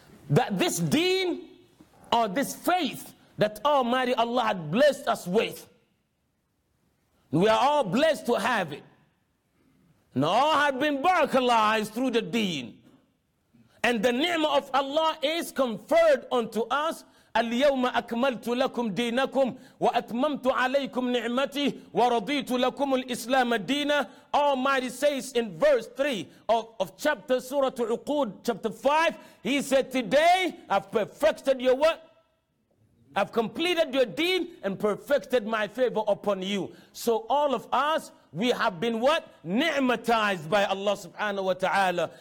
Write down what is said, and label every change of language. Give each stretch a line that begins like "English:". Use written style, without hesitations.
English: That this deen or this faith that Almighty Allah had blessed us with, we are all blessed to have it. And all have been barakalized through the deen. And the ni'mah of Allah is conferred unto us.
Arabic: اليوم أكملت لكم دينكم وأتممت عليكم نعمتي ورضيت لكم الإسلام دينا.
English: Almighty says in verse 3 of chapter Surah Al-Uqud, chapter 5, he said, today I've perfected your what? I've completed your deen and perfected my favor upon you. So all of us, we have been what? Ni'matized by Allah subhanahu wa ta'ala.